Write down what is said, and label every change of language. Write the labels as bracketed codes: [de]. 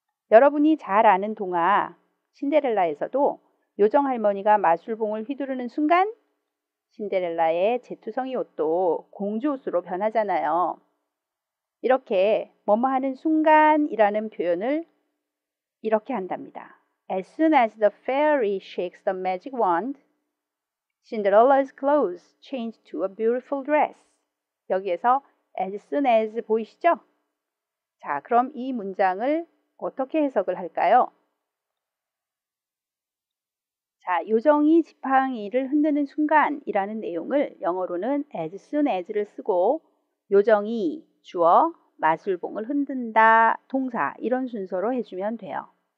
[ko] 여러분이 잘 아는 동화 신데렐라에서도 요정 할머니가 마술봉을 휘두르는 순간 신데렐라의 제투성이 옷도 공주 옷으로 변하잖아요. 이렇게 뭐뭐 하는 순간이라는 표현을 이렇게 한답니다. [en] As soon as the fairy shakes the magic wand, Cinderella's clothes change to a beautiful dress. [ko] 여기에서 as soon as 보이시죠? 자, 그럼 이 문장을 어떻게 해석을 할까요? 자, 요정이 지팡이를 흔드는 순간이라는 내용을 영어로는 as soon as를 쓰고 요정이 주어 마술봉을 흔든다 동사 이런 순서로 해주면 돼요.